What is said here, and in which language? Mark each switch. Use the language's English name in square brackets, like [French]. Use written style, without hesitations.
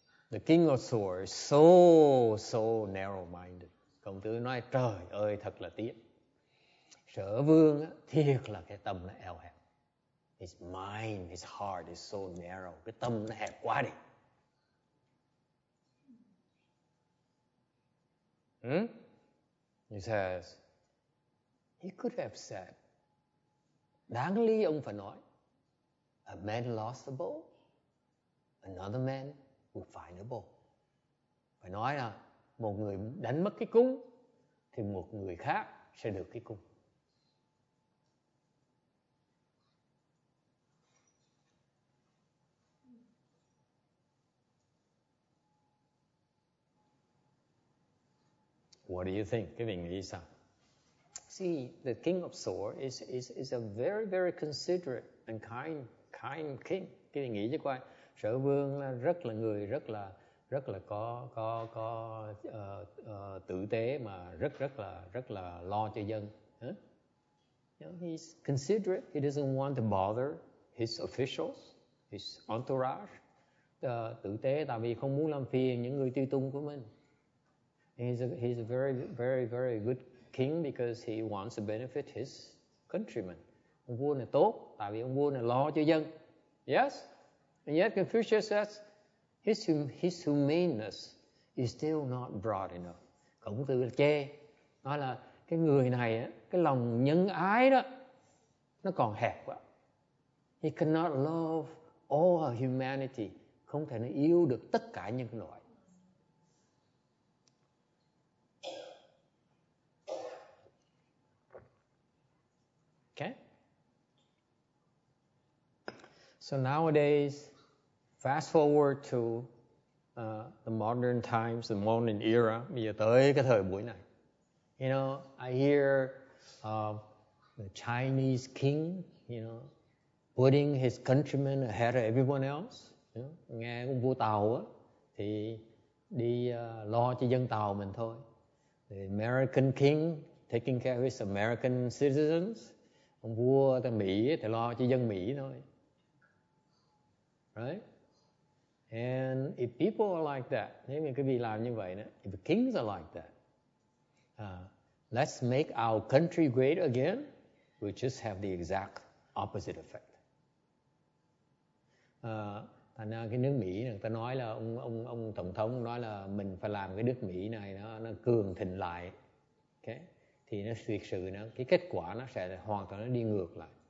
[English] The king of swords is so, so narrow-minded. [Vietnamese] Khổng Tử nói, trời ơi, thật là tiếc. Sở vương thiệt là cái tâm nó eo hẹp. [English] His mind, his heart is so narrow. [Vietnamese] Cái tâm nó hẹp quá đi. [English] He says, he could have said, [Vietnamese] đáng lý ông phải nói, [English] a man lost the bow, another man will find the bow. [Vietnamese] Phải nói là một người đánh mất cái cung, thì một người khác sẽ được cái cung. [English] What do you think? [Vietnamese] Cái mình nghĩ sao? [English] See, the king of swords is a very, very considerate and kind king. [Vietnamese] Cái mình nghĩ chứ coi, Sở Vương là rất là người rất là có tử tế mà rất là lo cho dân. Huh? [English] You know, he's considerate. He doesn't want to bother his officials, his entourage. [Vietnamese] Tử tế tại vì không muốn làm phiền những người tùy tùng của mình. [English] He's a very, very, very good king because he wants to benefit his countrymen. [Vietnamese] Ông vua này tốt, tại vì ông vua này lo cho dân. [English] Yes? And yet Confucius says, his humaneness is still not broad enough. [Vietnamese] Khổng Tử chê, nói là cái người này, cái lòng nhân ái đó, nó còn hẹp quá. [English] He cannot love all humanity. [Vietnamese] Không thể nó yêu được tất cả nhân loại. [English] So nowadays, fast forward to the modern times, the modern era. [Vietnamese] Bây giờ tới cái thời buổi này. [English] You know, I hear the Chinese king, you know, putting his countrymen ahead of everyone else. You know? [Vietnamese] Nghe ông vua Tàu á, thì đi lo cho dân Tàu mình thôi. [English] The American king taking care of his American citizens. [Vietnamese] Ông vua tại Mỹ thì lo cho dân Mỹ thôi. [English] Right? And if people are like that, [Vietnamese] nếu như quý vị làm như vậy, [English] if kings are like that, let's make our country great again, we'll just have the exact opposite effect. [Vietnamese] Thành ra cái nước Mỹ, người ta nói là ông Tổng thống nói là mình phải làm cái nước Mỹ này nó cường thịnh lại. Okay? Thì nó thực sự, cái kết quả nó sẽ hoàn toàn nó đi ngược lại.